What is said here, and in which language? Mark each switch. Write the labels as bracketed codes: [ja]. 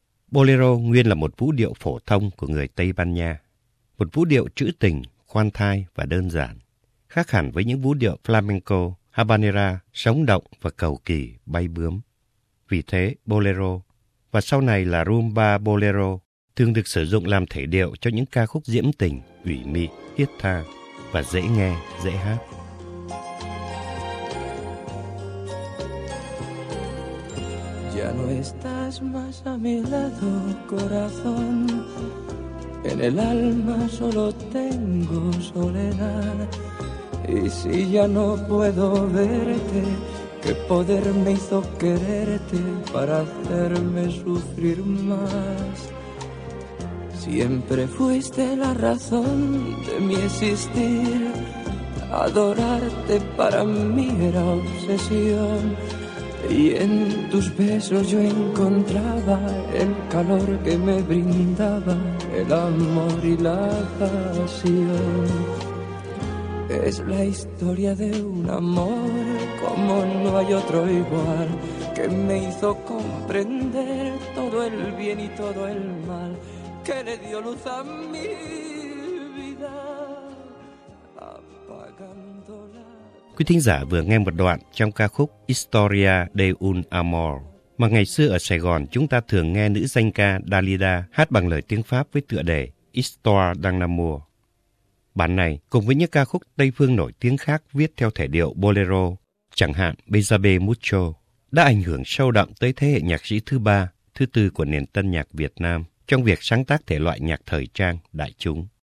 [vi] Bolero nguyên là một vũ điệu phổ thông của người Tây Ban Nha, một vũ điệu trữ tình, khoan thai và đơn giản, khác hẳn với những vũ điệu flamenco, habanera, sống động và cầu kỳ, bay bướm. Vì thế, bolero, và sau này là rumba bolero, thường được sử dụng làm thể điệu cho những ca khúc diễm tình, ủy mị, thiết tha và dễ nghe, dễ hát. [es] Ya no estás más a mi lado, corazón. En el alma solo tengo soledad. Y si ya no puedo verte, ¿qué poder me hizo quererte para hacerme sufrir más? Siempre fuiste la razón de mi existir. Adorarte para mí era obsesión. Y en tus besos yo encontraba el calor que me brindaba el amor y la pasión. Es la historia de un amor como no hay otro igual, que me hizo comprender todo el bien y todo el mal, que le dio luz a mi vida apagándola. [vi] Quý thính giả vừa nghe một đoạn trong ca khúc Historia de un Amor, mà ngày xưa ở Sài Gòn chúng ta thường nghe nữ danh ca Dalida hát bằng lời tiếng Pháp với tựa đề Histoire d'un Amour. Bản này cùng với những ca khúc Tây Phương nổi tiếng khác viết theo thể điệu bolero, chẳng hạn Bezabe Mucho, đã ảnh hưởng sâu đậm tới thế hệ nhạc sĩ thứ ba, thứ tư của nền tân nhạc Việt Nam trong việc sáng tác thể loại nhạc thời trang đại chúng.